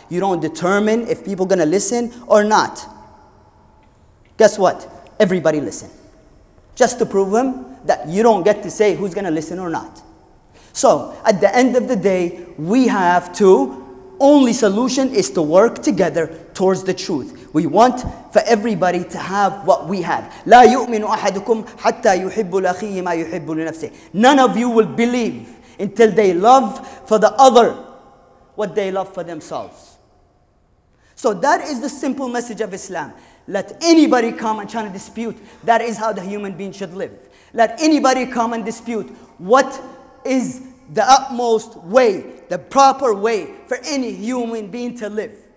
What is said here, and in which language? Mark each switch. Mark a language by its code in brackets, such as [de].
[en] You don't determine if people are going to listen or not. Guess what? Everybody listen. Just to prove him that you don't get to say who's going to listen or not. So, at the end of the day, we have to, only solution is to work together towards the truth. We want for everybody to have what we have. [ar] لا يؤمن أحدكم حتى يحب لأخيه ما يحب لنفسه. [en] None of you will believe until they love for the other what they love for themselves. So that is the simple message of Islam. Let anybody come and try to dispute that is how the human being should live. Let anybody come and dispute what is the utmost way, the proper way for any human being to live.